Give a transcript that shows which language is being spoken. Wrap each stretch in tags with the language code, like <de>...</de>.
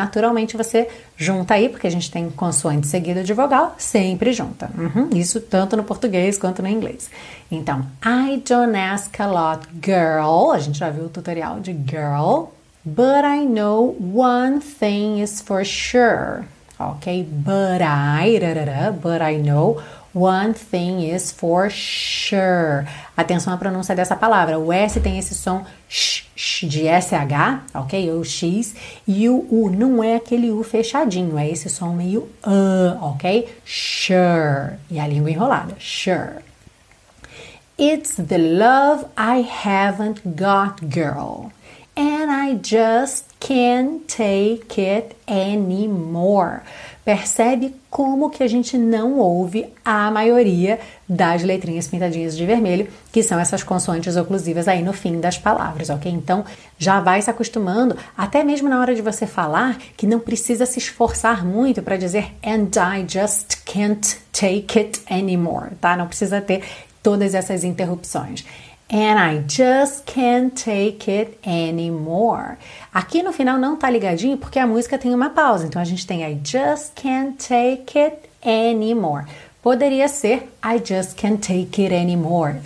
<pt>Naturalmente, você junta aí, porque a gente tem consoante seguida de vogal, sempre junta. Isso tanto no português quanto no inglês.</pt> <en>Então, I don't ask a lot, girl.</en> <pt>A gente já viu o tutorial de girl.</pt> <en>But I know one thing is for sure. Ok? But I know one thing is for sure.</en> <pt>Atenção à pronúncia dessa palavra. O S tem esse som sh, de SH, ok? Ou X. E o U não é aquele U fechadinho. É esse som meio ok? Sure. E a língua enrolada. Sure.</pt> <en>It's the love I haven't got, girl. and I just can't take it anymore.</en> <pt>Percebe como que a gente não ouve a maioria das letrinhas pintadinhas de vermelho, que são essas consoantes oclusivas aí no fim das palavras, ok? Então, já vai se acostumando, até mesmo na hora de você falar, que não precisa se esforçar muito para dizer</pt> <en>and I just can't take it anymore,</en> <pt>tá? Não precisa ter todas essas interrupções.</pt> <en>And I just can't take it anymore.</en> <pt>Aqui no final não tá ligadinho porque a música tem uma pausa. Então a gente tem</pt> <en>I just can't take it anymore.</en> <pt>Poderia ser</pt> <en>I just can't take it anymore.</en>